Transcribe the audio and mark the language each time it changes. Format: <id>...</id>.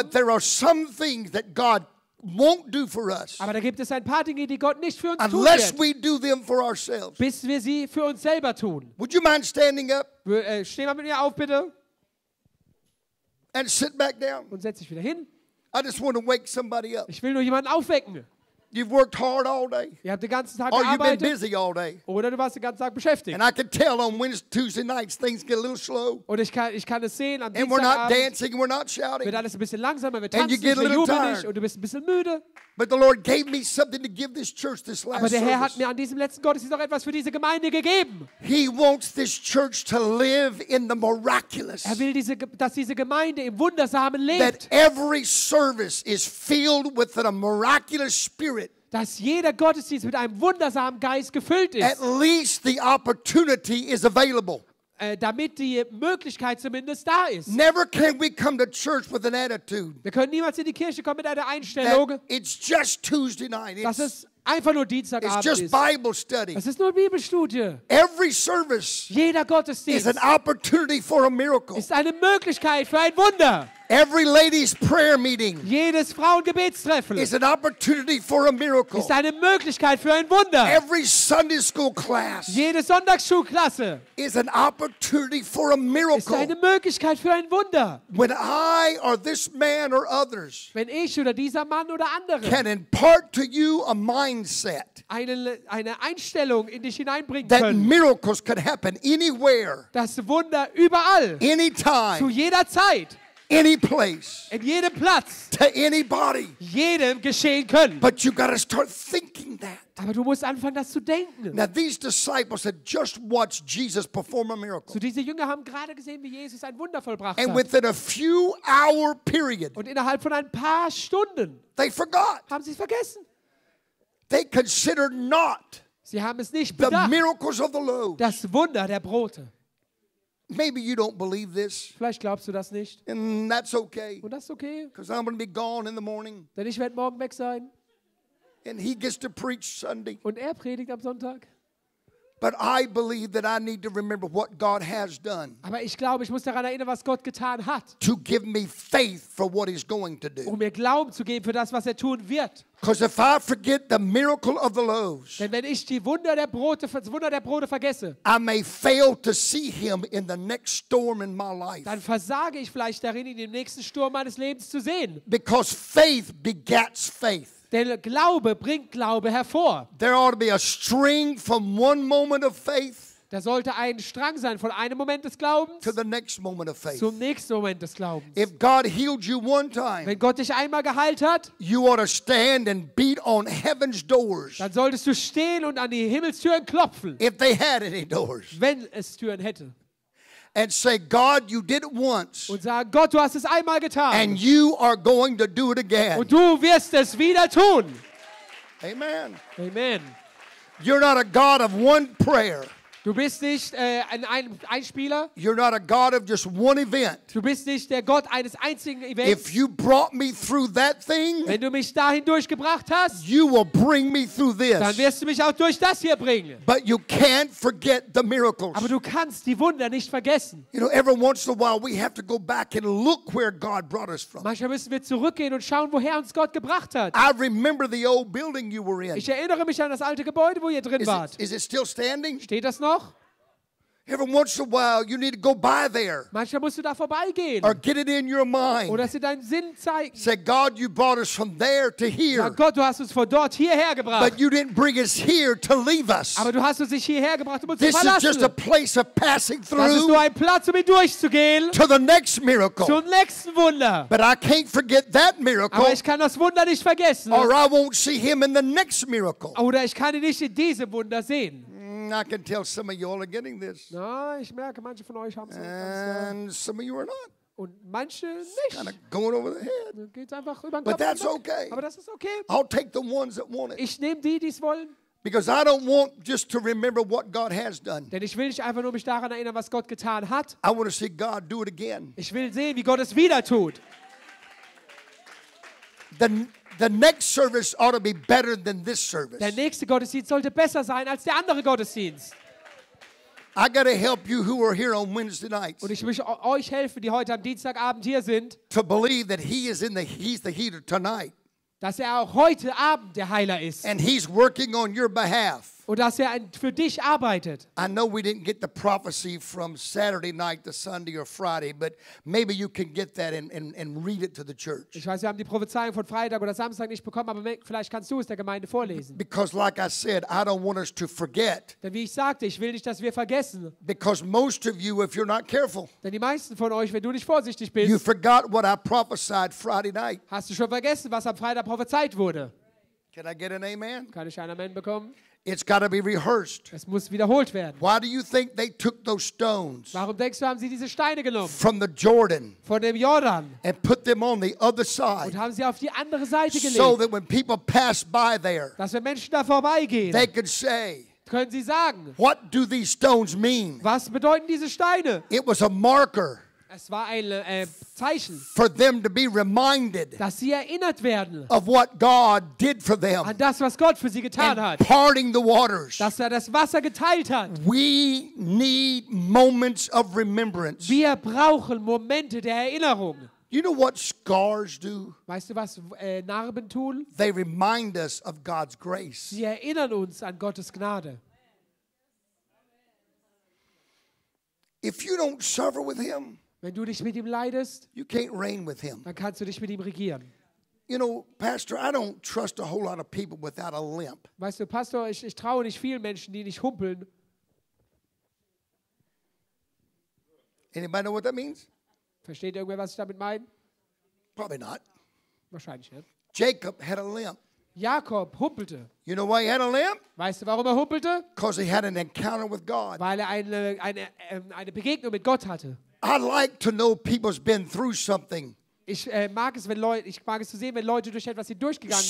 <en>But there are some things that God won't do for us.</en> <de>Aber da gibt es ein paar Dinge, die Gott nicht für uns tut.</de> <en>Unless we do them for ourselves.</en> <de>Bis wir sie für uns selber tun.</de> <en>Would you mind standing up?</en> <de>Steh mal mit mir auf, bitte.</de> <en>And sit back down.</en> <de>Und setz dich wieder hin.</de> <en>I just want to wake somebody up.</en> <de>Ich will nur jemanden aufwecken.</de> <en>You've worked hard all day.</en> <de>Ihr habt den ganzen Tag</de> <en>or</en> <de>gearbeitet.</de> <en>You've been busy all day.</en> <de>Oder du warst den ganzen Tag beschäftigt.</de> <en>And I can tell on Wednesday, Tuesday nights things get a little slow.</en> <de>Und ich kann es sehen, am</de> <en>Dienstagabend. And we're not dancing, we're not shouting.</en> <de>Wird alles ein bisschen langsamer, wir tanzen nicht, wir jubeln nicht und du bist ein bisschen müde.</de> <en>But the Lord gave me something to give this church this last service.</en> <de>Aber der Herr</de> <en>service.</en> <de>Hat mir an diesem letzten Gottesdienst noch etwas für diese Gemeinde gegeben.</de> <en>He wants this church to live in the miraculous.</en> <de>Er will dass diese Gemeinde im Wundersamen lebt.</de> <en>That every service is filled with a miraculous spirit.</en> <de>Dass jeder Gottesdienst mit einem wundersamen Geist gefüllt ist.</de> <en>At least the opportunity is available.</en> <de>Damit die Möglichkeit zumindest da ist.</de> <en>Never can we come to church with an attitude.</en> <de>Wir können niemals in die Kirche kommen mit einer Einstellung.</de> <en>It's just Tuesday night.</en> <de>Das ist einfach nur Dienstagabend.</de> <en>It's just Bible study.</en> <de>Es ist nur Bibelstudie.</de> <en>Every service.</en> <de>Jeder Gottesdienst.</de> <en>Is an opportunity for a miracle.</en> <de>Ist eine Möglichkeit für ein Wunder.</de> <en>Every ladies' prayer meeting.</en> <de>Jedes Frauengebetstreffen.</de> <en>Is an opportunity for a miracle.</en> <de>Ist eine Möglichkeit für ein Wunder.</de> <en>Every Sunday school class.</en> <de>Jede Sonntagsschulklasse.</de> <en>Is an opportunity for a miracle.</en> <de>Ist eine Möglichkeit für ein Wunder.</de> <en>When I or this man or others.</en> <de>Wenn ich oder dieser Mann oder andere.</de> <en>Can impart to you a mindset.</en> <de>Eine Einstellung in dich hineinbringen</de> <en>that</en> <de>können.</de> <en>That miracles could happen anywhere.</en> <de>Das Wunder überall.</de> <en>Anytime.</en> <de>Zu jeder Zeit.</de> <en>Any place,</en> <de>in jedem Platz,</de> <en>to anybody,</en> <de>jedem geschehen können.</de> <en>But you got to start thinking that.</en> <de>Aber du musst anfangen, das zu denken.</de> <en>Now these disciples had just watched Jesus perform a miracle.</en> <de>So diese Jünger haben gerade gesehen, wie Jesus ein Wunder vollbracht</de> <en>and</en> <de>hat.</de> <en>And within a few hour period,</en> <de>und innerhalb von ein paar Stunden,</de> <en>they forgot.</en> <de>Haben sie es vergessen?</de> <en>They considered not.</en> <de>Sie haben es nicht bedacht.</de> <en>The miracles of the loaves.</en> <de>Das Wunder der Brote.</de> <en>Maybe you don't believe this.</en> <de>Vielleicht glaubst du das nicht.</de> <en>And that's okay.</en> <de>Und das ist okay.</de> <en>Because I'm going to be gone in the morning.</en> <de>Denn ich werde morgen weg sein.</de> <en>And he gets to preach Sunday.</en> <de>Und er predigt am Sonntag.</de> <en>But I believe that I need to remember what God has done.</en> <de>Aber ich glaube, ich muss daran erinnern, was Gott getan hat.</de> <en>To give me faith for what he's going to do.</en> <de>Um mir Glauben zu geben für das, was er tun wird.</de> <en>Because if I forget the miracle of the loaves,</en> <de>denn wenn ich das Wunder der Brote vergesse,</de> <en>I may fail to see him in the next storm in my life.</en> <de>Dann versage ich vielleicht darin, ihn im nächsten Sturm meines Lebens zu sehen.</de> <en>Because faith begets faith.</en> <de>Denn Glaube bringt Glaube hervor.</de> <en>There ought to be a string from one moment of faith.</en> <de>Da sollte ein Strang sein von einem Moment des Glaubens</de> <en>to the next moment of faith.</en> <de>Zum nächsten Moment des Glaubens.</de> <en>If God healed you one time,</en> <de>wenn Gott dich einmal geheilt hat,</de> <en>you ought to stand and beat on heaven's doors.</en> <de>Dann solltest du stehen und an die Himmelstüren klopfen.</de> <en>If they had any doors.</en> <de>Wenn es Türen hätte.</de> <en>And say, God, you did it once.</en> <de>Und sag, Gott, du hast es einmal getan.</de> <en>And you are going to do it again.</en> <de>Und du wirst es wieder tun.</de> <en>Amen.</en> <de>Amen.</de> <en>You're not a God of one prayer.</en> <de>Du bist nicht ein Einspieler.</de> <en>You're not a God of just one event.</en> <de>Du bist nicht der Gott eines einzigen Events.</de> <en>If you brought me through that thing,</en> <de>wenn du mich dahin durchgebracht hast,</de> <en>you will bring me through this.</en> <de>Dann wirst du mich auch durch das hier bringen.</de> <en>But you can't forget the miracles.</en> <de>Aber du kannst die Wunder nicht vergessen.</de> <en>You know, every once in a while we have to go back and look where God brought us from.</en> <de>Manchmal müssen wir zurückgehen und schauen, woher uns Gott gebracht hat.</de> <en>I remember the old building you were in.</en> <de>Ich erinnere mich an das alte Gebäude, wo ihr drin wart.</de> <en>Is it still standing?</en> <de>Steht das noch?</de> <en>Every once in a while, you need to go by there.</en> <de>Manchmal musst du da vorbeigehen.</de> <en>Or get it in your mind.</en> <de>Oder sie deinen Sinn zeigen.</de> <en>Say, God, you brought us from there to here.</en> <de>Na Gott, du hast uns von dort hierher gebracht.</de> <en>But you didn't bring us here to leave us.</en> <de>Aber du hast uns nicht hierher gebracht, um uns</de> <en>this</en> <de>zu verlassen.</de> <en>Is just a place of passing through.</en> <de>Das ist nur ein Platz, um durchzugehen.</de> <en>To the next miracle.</en> <de>Zum nächsten Wunder.</de> <en>But I can't forget that miracle.</en> <de>Aber ich kann das Wunder nicht vergessen.</de> <en>Or I won't see him in the next miracle.</en> <de>Oder ich kann ihn nicht in diesem Wunder sehen.</de> <en>I can tell some of you all are getting this.</en> <de>No, ich merke, manche von euch haben's.</de> <en>And some of you are not.</en> <de>Und manche nicht.</de> <en>Kind of going over the head.</en> <de>Geht's einfach über den</de> <en>Kopf. But that's okay.</en> <de>Aber das ist okay.</de> <en>I'll take the ones that want it.</en> <de>Ich nehme die, die's wollen.</de> <en>Because I don't want just to remember what God has done.</en> <de>Denn ich will nicht einfach nur mich daran erinnern, was Gott getan hat.</de> <en>I want to see God do it again.</en> <de>Ich will sehen, wie Gott es wieder tut.</de> <en>The next service ought to be better than this service.</en> <de>Der nächste Gottesdienst sollte besser sein als der andere Gottesdienst.</de> <en>I got to help you who are here on Wednesday nights.</en> <de>Und ich möchte euch helfen, die heute am Dienstagabend hier sind.</de> <en>To believe that he is in the he's the healer tonight.</en> <de>Dass er auch heute Abend der Heiler ist.</de> <en>And he's working on your behalf.</en> <de>Und dass er für dich arbeitet.</de> <en>I know we didn't get the prophecy from Saturday night to Sunday or Friday, but maybe you can get that and read it to the church.</en> <de>Ich weiß, wir haben die Prophezeiung von Freitag oder Samstag nicht bekommen, aber vielleicht kannst du es der Gemeinde vorlesen.</de> <en>Because like I said, I don't want us to forget.</en> <de>Denn wie ich sagte, ich will nicht, dass wir vergessen.</de> <en>Because most of you, if you're not careful,</en> <de>denn die meisten von euch, wenn du nicht vorsichtig bist,</de> <en>you forgot what I prophesied Friday night.</en> <de>Hast du schon vergessen, was am Freitag prophezeit wurde?</de> <en>Can I get an amen?</en> <de>Kann ich ein Amen bekommen?</de> <en>It's got to be rehearsed.</en> <de>Es muss wiederholt werden.</de> <en>Why do you think they took those stones?</en> <de>Warum denkst du, haben sie diese Steine genommen?</de> <en>From the Jordan.</en> <de>Von dem Jordan.</de> <en>And put them on the other side.</en> <de>Und haben sie auf die andere Seite gelegt.</de> <en>So that when people pass by there.</en> <de>Dass wenn Menschen da vorbeigehen.</de> <en>They could say.</en> <de>Können sie sagen.</de> <en>What do these stones mean?</en> <de>Was bedeuten diese Steine?</de> <en>It was a marker.</en> <de>Es war ein Zeichen,</de> <en>for them to be reminded,</en> <de>dass sie erinnert werden,</de> <en>of what God did for them,</en> <de>an das, was Gott für sie getan hat,</de> <en>parting the waters,</en> <de>dass er das Wasser geteilt hat.</de> <en>We need moments of remembrance.</en> <de>Wir brauchen Momente der Erinnerung.</de> <en>You know what scars do?</en> <de>Weißt du, was Narben tun?</de> <en>They remind us of God's grace.</en> <de>Sie erinnern uns an Gottes Gnade.</de> <en>If you don't suffer with him,</en> <de>wenn du dich mit ihm leidest,</de> <en>you can't reign with him.</en> <de>Dann kannst du dich mit ihm regieren.</de> <en>You know, Pastor, I don't trust a whole lot of people without a limp.</en> <de>Weißt du, Pastor, ich traue nicht vielen Menschen, die nicht humpeln.</de> <en>Anybody know what that means?</en> <de>Versteht irgendwer, was ich damit meine?</de> <en>Probably not.</en> <de>Wahrscheinlich nicht.</de> <en>Jacob had a limp.</en> <de>Jakob humpelte.</de> <en>You know why he had a limp?</en> <de>Weißt du, warum er humpelte?</de> <en>Because he had an encounter with God.</en> <de>Weil er eine Begegnung mit Gott hatte.</de> <en>I like to know people's been through something.</en> <de>Ich mag es zu sehen, wenn Leute durch etwas sie durchgegangen sind.</de>